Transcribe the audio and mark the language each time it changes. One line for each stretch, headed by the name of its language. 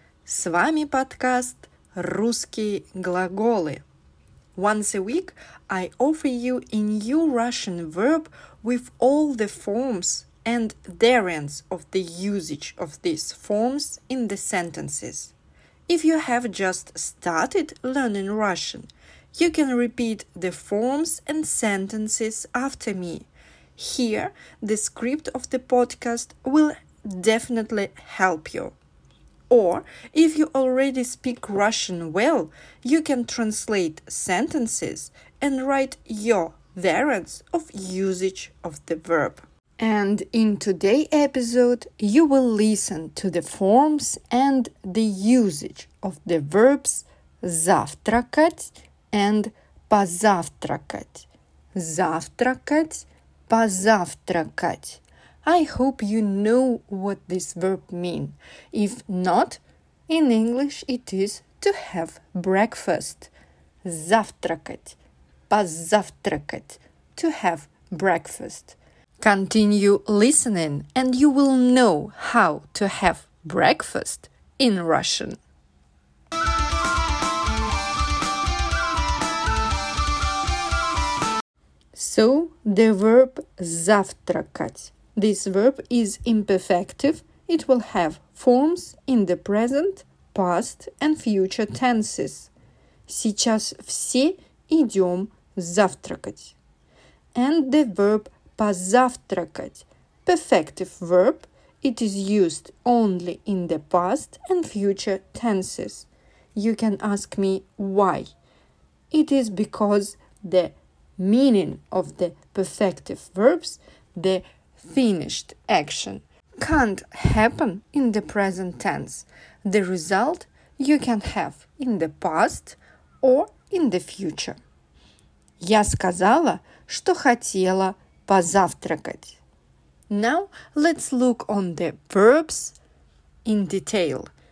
Russian: С вами подкаст «Русские глаголы».
English: Once a week, I offer you a new Russian verb with all the forms and variants of the usage of these forms in the sentences. If you have just started learning Russian, you can repeat the forms and sentences after me. Here, the script of the podcast will definitely help you. Or, if you already speak Russian well, you can translate sentences and write your variants of usage of the verb. And in today's episode, you will listen to the forms and the usage of the verbs завтракать and позавтракать.
Russian: Завтракать, позавтракать.
English: I hope you know what this verb means. If not, in English it is to have breakfast. Завтракать, позавтракать, to have breakfast. Continue listening and you will know how to have breakfast in Russian. So, the verb завтракать. This verb is imperfective. It will have forms in the present, past and future tenses.
Russian: Сейчас все идем завтракать.
English: And the verb позавтракать. Perfective verb. It is used only in the past and future tenses. You can ask me why. It is because the meaning of the perfective verbs, the finished action, can't happen in the present tense. The result you can have in the past or in the future.
Russian: Я сказала, что хотела позавтракать.
English: Now let's look on the verbs in detail.